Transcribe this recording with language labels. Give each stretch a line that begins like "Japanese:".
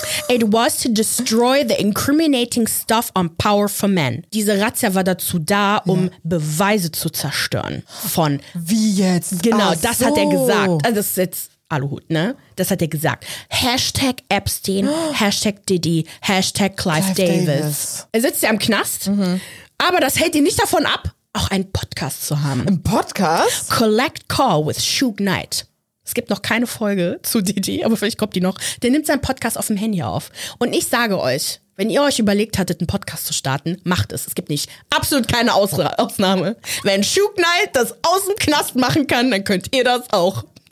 English: It was to destroy the incriminating stuff on Power for Men.
German: Diese Razzia war dazu da, um Beweise zu zerstören. Von... Wie jetzt? Genau, ach, das so. Hat er gesagt. Also das ist jetzt... Aluhut, ne? Das hat er gesagt. Hashtag Epstein, Hashtag Diddy, Hashtag Clive Davis. Er sitzt ja im Knast, aber das hält ihn nicht davon ab, auch einen Podcast zu haben. Ein Podcast? Collect Call with Shug Knight. Es gibt noch keine Folge zu Diddy, aber vielleicht kommt die noch. Der nimmt seinen Podcast auf dem Handy auf. Und ich sage euch, wenn ihr euch überlegt hattet, einen Podcast zu starten, macht es. Es gibt nicht absolut keine Ausnahme. Wenn Shug Knight das aus dem Knast machen kann, dann könnt ihr das auch.